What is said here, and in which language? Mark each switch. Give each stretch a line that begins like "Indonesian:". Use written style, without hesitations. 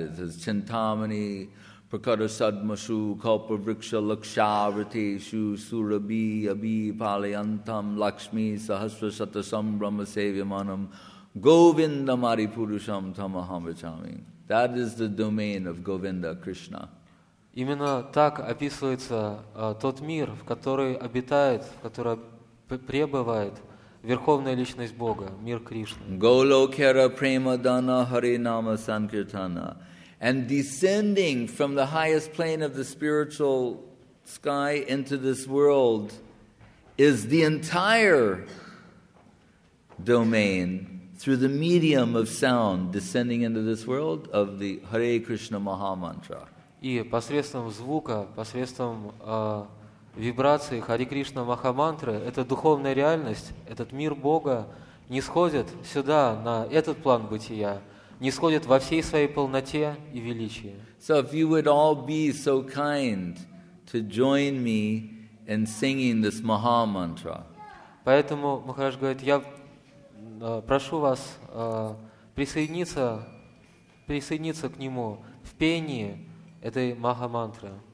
Sanskrit: It says Chintamani Prakara Sadmasu Kalpa Vriksha Laksha Ritesu Surabhi Abhi Palayantam Lakshmi Sahasra Satasam Brahma Sevyamanam Govinda Mari Purusham Tamaham Vachami.
English: That is the domain of Govinda Krishna.
Russian: Именно так описывается тот мир, в который обитает, в который пребывает Верховная Личность Бога, мир Кришны.
Sanskrit: Голокера Премадана Харинама Санкиртана.
English: And descending from the highest plane of the spiritual sky into this world is the entire domain through the medium of sound descending into this world of the Hare Krishna Maha Mantra.
Russian: И посредством звука, посредством вибрации Хари Кришна Маха Мантры, эта духовная реальность, этот мир Бога нисходит сюда, на этот план бытия, нисходит во всей своей полноте и величии.
English: So if you would all be so kind to join me in singing this Maha Mantra.
Russian: Поэтому Махарадж говорит, я прошу вас присоединиться к нему в пении этой Маха-мантры.